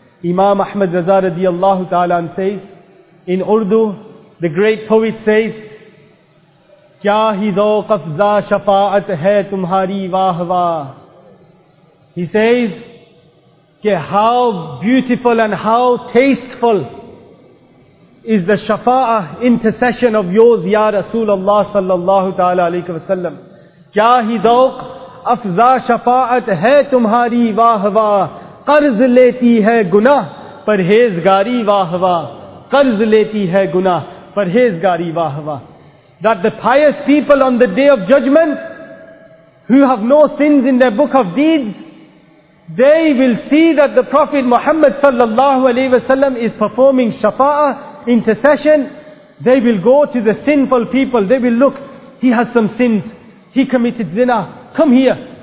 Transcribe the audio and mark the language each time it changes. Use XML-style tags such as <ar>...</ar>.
<en>Imam Ahmad Raza radiallahu ta'ala says, in Urdu, the great poet says,</en> <ur>Kya hi zauq afza shafaat hai tumhari wah wah.</ur> <en>He says, how beautiful and how tasteful is the shafa'ah intercession of yours,</en> <ar>Ya Rasulullah sallallahu ta'ala alayhi wa sallam.</ar> <ur>Kya hi zauq afza shafaat hai tumhari wah wah. قرض لیتی ہے گناہ پرہیزگاری واہ واہ قرض لیتی ہے گناہ پرہیزگاری واہ واہ.</ur> <en>That the pious people on the Day of Judgment, who have no sins in their book of deeds, they will see that the Prophet Muhammad sallallahu alaihi wasallam is performing shafa'ah, intercession. They will go to the sinful people, they will look, he has some sins, he committed zina, come here.</en>